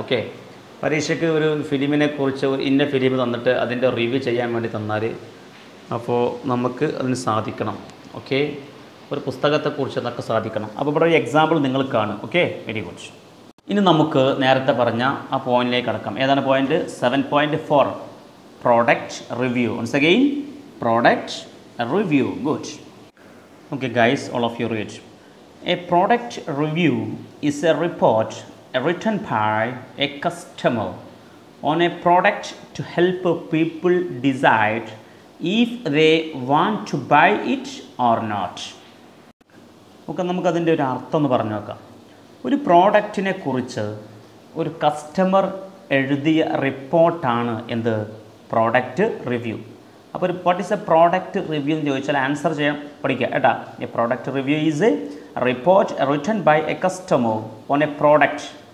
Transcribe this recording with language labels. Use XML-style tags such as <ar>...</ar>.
<ml>Okay, പരീക്ഷയ്ക്ക് ഒരു ഫിലിമിനെ കുറിച്ച് ഒരു ഇന്ന ഫിലിം തന്നിട്ട് അതിൻ്റെ റിവ്യൂ ചെയ്യാൻ വേണ്ടി തന്നാൽ അപ്പോൾ നമുക്ക് അതിന് സാധിക്കണം. ഓക്കെ, ഒരു പുസ്തകത്തെക്കുറിച്ച് എന്നൊക്കെ സാധിക്കണം. അപ്പോൾ ഇവിടെ ഒരു എക്സാമ്പിൾ നിങ്ങൾ കാണും. Okay,</ml> <en>Very good.</en> <ml>ഇനി നമുക്ക് നേരത്തെ പറഞ്ഞ ആ പോയിന്റിലേക്ക് കടക്കാം. ഏതാണ് point?</ml> <en>7.4, product review. Once again, product review. Good. Okay guys, all of you read. A product review is a report written by a customer on a product to help people decide if they want to buy it or not.</en> <ml>Okay, നമുക്ക് അതിൻ്റെ ഒരു അർത്ഥം ഒന്ന് പറഞ്ഞു നോക്കാം. ഒരു പ്രോഡക്റ്റിനെ കുറിച്ച് ഒരു കസ്റ്റമർ എഴുതിയ റിപ്പോർട്ടാണ് എന്ത്, പ്രോഡക്റ്റ് റിവ്യൂ. അപ്പോൾ</ml> <en>what is a product review</en> <ml>എന്ന് ചോദിച്ചാൽ ആൻസർ ചെയ്യാൻ പഠിക്കുക കേട്ടാ.</ml> <en>A product review is a report written by a customer on a product.</en>